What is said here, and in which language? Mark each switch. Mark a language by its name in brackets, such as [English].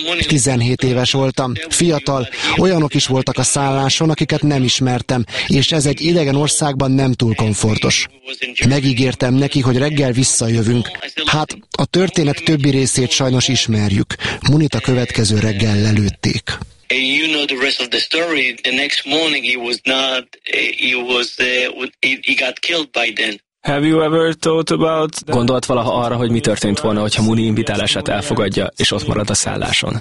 [Hungarian] 17 éves voltam, fiatal, olyanok is voltak a szálláson, akiket nem ismertem, és ez egy idegen országban nem túl komfortos. Megígértem neki, hogy reggel visszajövünk. Hát, a történet többi részét sajnos ismerjük. Munit a következő reggel lelőtték. [English] You know the rest of the story. The next morning he got killed by then. Have you ever thought about that? [Hungarian] Gondolt valaha arra, hogy mi történt volna, hogyha Muni invitálását elfogadja, és ott marad a szálláson?